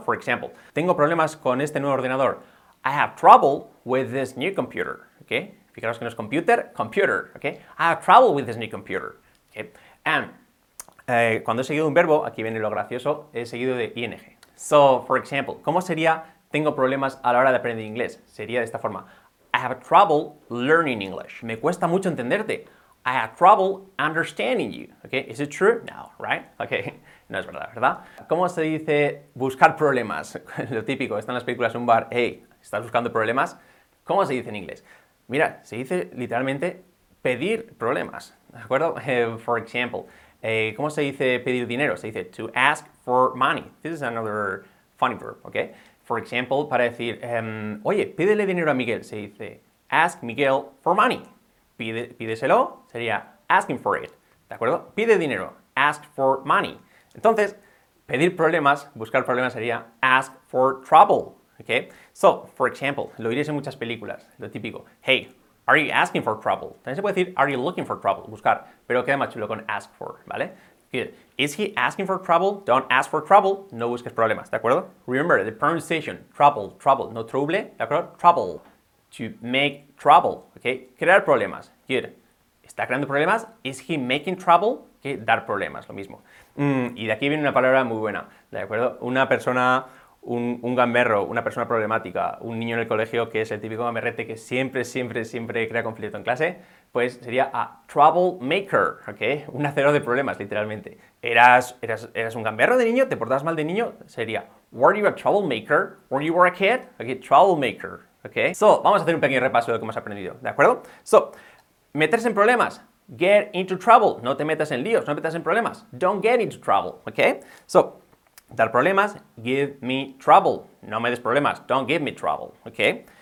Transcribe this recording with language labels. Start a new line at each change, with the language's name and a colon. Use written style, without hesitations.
English: For example,
Spanish: tengo problemas con este nuevo ordenador.
English: I have trouble with this new computer, ¿ok?
Spanish: Fijaros que no es
English: computer, computer, ¿ok? I have trouble with this new computer, ¿ok?
Spanish: And, cuando es seguido un verbo, aquí viene lo gracioso, es seguido de ing.
English: So, for example,
Spanish: ¿cómo sería tengo problemas a la hora de aprender inglés? Sería de esta forma.
English: I have trouble learning English.
Spanish: Me cuesta mucho entenderte.
English: I have trouble understanding you, ¿ok? Is it true? No, right?
Spanish: Ok, no es verdad, ¿verdad? ¿Cómo se dice buscar problemas? Lo típico, está en las películas en un bar, hey, ¿estás buscando problemas? ¿Cómo se dice en inglés? Mira, se dice literalmente pedir problemas, ¿de acuerdo?
English: For example,
Spanish: ¿cómo se dice pedir dinero? Se dice
English: to ask for money. This is another funny verb, ¿ok?
Spanish: For example, para decir, oye, pídele dinero a Miguel, se dice
English: ask Miguel for money.
Spanish: Pídeselo, sería
English: asking for it,
Spanish: ¿de acuerdo? Pide dinero,
English: ask for money.
Spanish: Entonces, pedir problemas, buscar problemas sería
English: ask for trouble,
Spanish: ¿ok?
English: So, for example,
Spanish: lo diréis en muchas películas, lo típico.
English: Hey, are you asking for trouble?
Spanish: También se puede decir,
English: are you looking for trouble?
Spanish: Buscar, pero queda más chulo con ask for, ¿vale?
English: Good. Is he asking for trouble? Don't ask for trouble.
Spanish: No busques problemas, ¿de acuerdo?
English: Remember, the pronunciation, trouble, trouble,
Spanish: no trouble, ¿de acuerdo?
English: Trouble, to make trouble, ¿ok?
Spanish: Crear problemas,
English: good.
Spanish: ¿Está creando problemas?
English: Is he making trouble?
Spanish: Que dar problemas, lo mismo. Y de aquí viene una palabra muy buena, ¿de acuerdo? Una persona, un gamberro, una persona problemática, un niño en el colegio que es el típico gamberrete que siempre, siempre, siempre crea conflicto en clase, pues sería a troublemaker, ¿ok? Un hacedor de problemas, literalmente. ¿Eras un gamberro de niño? ¿Te portabas mal de niño? Sería,
English: were you a troublemaker when you were a kid? Ok, troublemaker, ¿ok?
Spanish: So, vamos a hacer un pequeño repaso de lo que hemos aprendido, ¿de acuerdo? So, meterse en problemas.
English: Get into trouble.
Spanish: No te metas en líos, no te metas en problemas.
English: Don't get into trouble,
Spanish: ¿ok?
English: So,
Spanish: dar problemas,
English: give me trouble.
Spanish: No me des problemas,
English: don't give me trouble, ¿ok?